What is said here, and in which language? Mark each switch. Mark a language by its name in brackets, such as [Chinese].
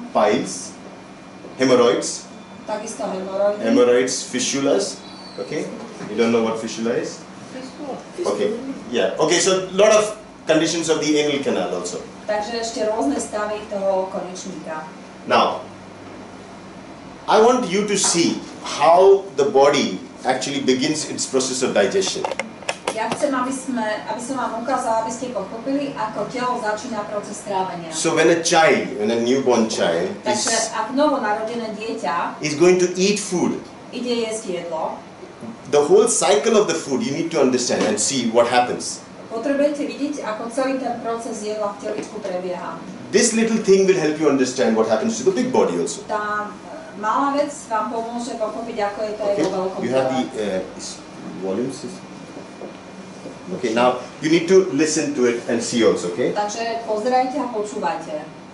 [English] Piles, hemorrhoids. [Slovak] Takisto [English] hemorrhoids. Hemorrhoids, fistulas, okay? You don't know what fistula is? Fistula. Okay, yeah. Okay, so a lot of conditions of the anal canal also. [Slovak] Takže ešte rôzne stavy toho konečníka. [English] Now, I want you to see how the body actually begins its process of digestion. [Slovak] Ja chcem, aby som vám ukázal, aby ste pochopili, ako telo začína proces trávenia. [English] So when a child, when a newborn child [Slovak] is, ak novonarodené dieťa [English] is going to eat food, [Slovak] ide jesť jedlo, [English] the whole cycle of the food you need to understand and see what happens. [Slovak] Potrebujete vidieť, ako celý ten proces jedla v teličku prebieha. [English] This little thing will help you understand what happens to the big body also. [Slovak] Tá malá vec vám pomôže pochopiť, ako je to aj vo veľkom tele. [English] You have the volumes? Okay, now you need to listen to it and see also, okay? [Slovak] Takže pozerajte a počúvajte.